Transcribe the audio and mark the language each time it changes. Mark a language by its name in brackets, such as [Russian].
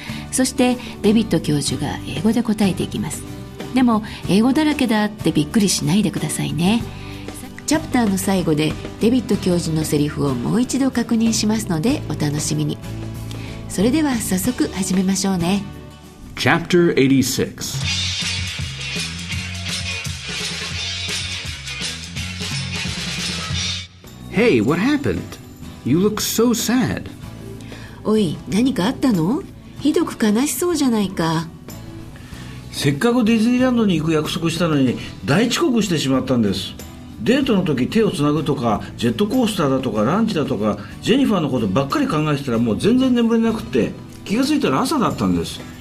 [Japanese] そしてデビッド教授が英語で答えていきます。でも英語だらけだってびっくりしないでくださいね。チャプターの最後でデビッド教授のセリフをもう一度確認しますのでお楽しみに。それでは早速始めましょうね。 [English] Chapter 86 Hey, what happened? You look so sad. [Japanese] おい、何かあったの？ひどく悲しそうじゃないか。せっかくディズニーランドに行く約束したのに大遅刻してしまったんです。デートの時手をつなぐとかジェットコースターだとかランチだとかジェニファーのことばっかり考えてたらもう全然眠れなくて、気がついたら朝だったんです。